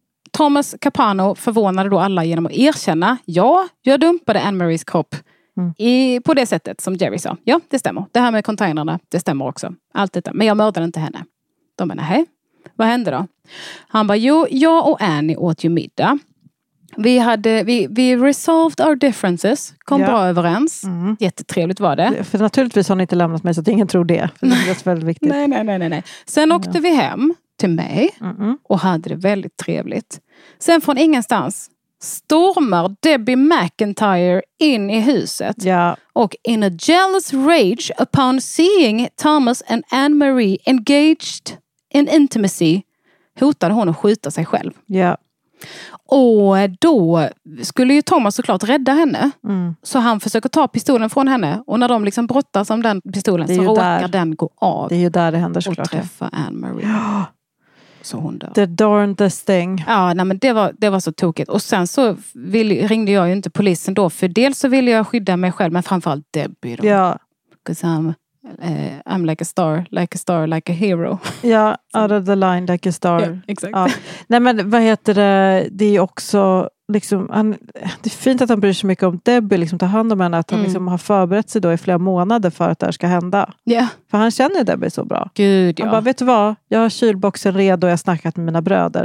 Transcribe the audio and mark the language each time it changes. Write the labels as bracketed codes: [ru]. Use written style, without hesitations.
[sv] Thomas Capano förvånade då alla genom att erkänna, ja, jag dumpade Anne-Marie's kropp. På det sättet som Jerry sa. Ja, det stämmer. Det här med containerna, det stämmer också. Allt detta. Men jag mördade inte henne. De menar, hej. Vad hände då? Han bara, jo, jag och Annie åt ju middag. Vi [en] resolved our differences. [sv] Kom bra överens. Mm. Jättetrevligt var det. För naturligtvis har ni inte lämnat mig, så att ingen tror det. För det är väldigt viktigt. Nej. Sen åkte vi hem till mig och hade det väldigt trevligt. Sen från ingenstans stormar Debbie McIntyre in i huset. [en] Yeah. [sv] Och [en] in a jealous rage upon seeing Thomas and Anne-Marie engaged in intimacy, [sv] hotade hon att skjuta sig själv. [en] Yeah. [sv] Och då skulle ju Thomas såklart rädda henne. Mm. Så han försöker ta pistolen från henne. Och när de liksom brottas om den pistolen, så råkar den gå av. Det är ju där det händer såklart. Och träffa Anne-Marie. Ja. Så hon dör. [en] The darndest thing. [sv] Ja, nej, men det var så tokigt. Och sen så ringde jag ju inte polisen då. För dels så ville jag skydda mig själv. Men framförallt Debbie då. Ja. [en] Because I'm like a star, like a hero. [sv] Ja, [en] out of the line, like a star. [sv] Ja, exakt. Ja. Nej, men vad heter det? Det är ju också... liksom, han, det är fint att han bryr sig mycket om Debbie, liksom, tar hand om henne, att han liksom har förberett sig då i flera månader för att det här ska hända. [en] Yeah. [sv] För han känner ju Debbie så bra. Gud, han bara, vet du vad? Jag har kylboxen redo och jag har snackat med mina bröder.